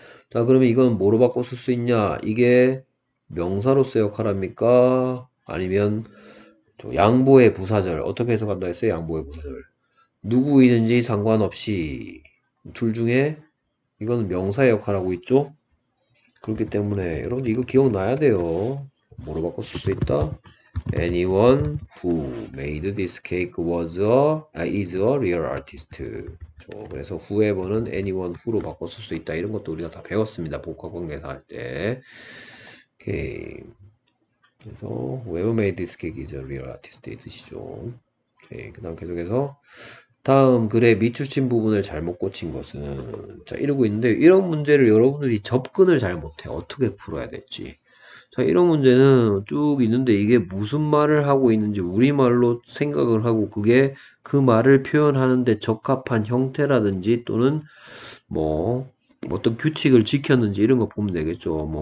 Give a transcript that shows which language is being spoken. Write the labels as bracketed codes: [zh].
[ko] 자, 그러면 이건 뭐로 바꿔 쓸수 있냐? 이게 명사로서 역할합니까? 아니면 저 양보의 부사절. 어떻게 해석한다 했어요? 양보의 부사절. 누구이든지 상관없이. 둘 중에 이건 명사의 역할하고 있죠? 그렇기 때문에 여러분 이거 기억나야 돼요. 뭐로 바꿔 쓸수 있다? [en] Anyone who made this cake is a real artist. [ko] 그래서 whoever는 anyone who로 바꿔 쓸수 있다. 이런 것도 우리가 다 배웠습니다. 복합관계사 할 때. 오케이. 그래서 [en] whoever made this cake is a real artist. [ko] 이 뜻이죠. 오케이. 그다음 계속해서 다음 글의 밑줄친 부분을 잘못 고친 것은 자 이러고 있는데 이런 문제를 여러분들이 접근을 잘 못해. 어떻게 풀어야 될지. 자, 이런 문제는 쭉 있는데 이게 무슨 말을 하고 있는지 우리말로 생각을 하고 그게 그 말을 표현하는데 적합한 형태라든지 또는 뭐 어떤 규칙을 지켰는지 이런 거 보면 되겠죠.